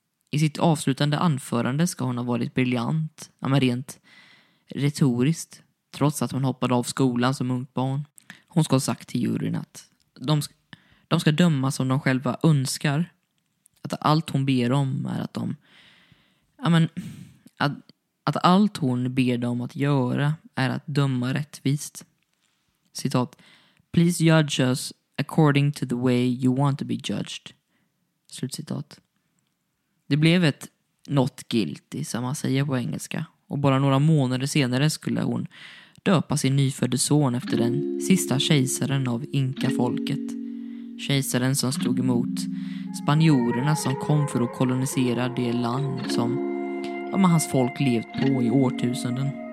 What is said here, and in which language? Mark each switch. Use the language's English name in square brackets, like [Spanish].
[Swedish] I sitt avslutande anförande ska hon ha varit briljant, ja, men rent retoriskt, trots att hon hoppade av skolan som ungt barn. Hon ska ha sagt till juryn att de ska döma som de själva önskar. Att allt hon ber om är att de, ja, men, att allt hon ber dem att göra är att döma rättvist. [English] Citat: "Please judge us according to the way you want to be judged." [Swedish] Slutcitat. Det blev ett [English] not guilty, [Swedish] som man säger på engelska. Och bara några månader senare skulle hon döpa sin nyfödde son efter den sista kejsaren av Inka-folket. Kejsaren som stod emot spanjorerna som kom för att kolonisera det land som, ja, men, hans folk levt på i årtusenden.